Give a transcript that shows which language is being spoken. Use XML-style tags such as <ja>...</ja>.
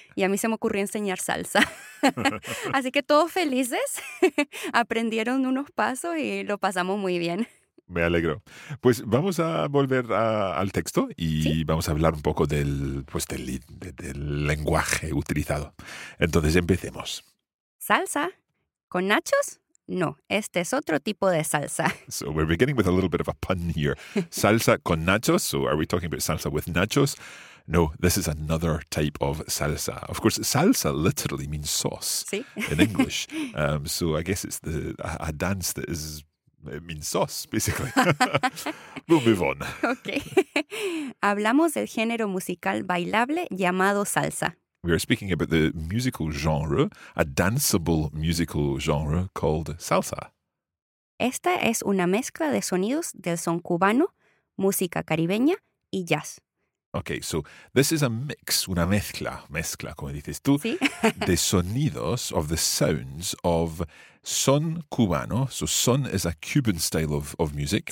<es>Y a mí se me ocurrió enseñar salsa. Así que todos felices, aprendieron unos pasos y lo pasamos muy bien. Me alegro. Pues vamos a volver al texto y vamos a hablar un poco del lenguaje utilizado. Entonces, empecemos. ¿Salsa? ¿Con nachos? No, este es otro tipo de salsa.</es> <en>So we're beginning with a little bit of a pun here.</en> <es>¿Salsa con nachos?</es> <en>So are we talking about salsa with nachos? No, this is another type of salsa. Of course, salsa literally means sauce in English. So I guess it's a dance that is... It means sauce, basically. We'll move on. Okay.</en> <es>Hablamos del género musical bailable llamado salsa.</es> <en>We are speaking about the musical genre, a danceable musical genre called salsa.</en> <es>Esta es una mezcla de sonidos del son cubano, música caribeña y jazz.</es> <en>Okay, so this is a mix,</en> <es>una mezcla, mezcla, como dices tú, ¿sí? De sonidos,</es> <en>of the sounds of son cubano. So son is a Cuban style of music.</en>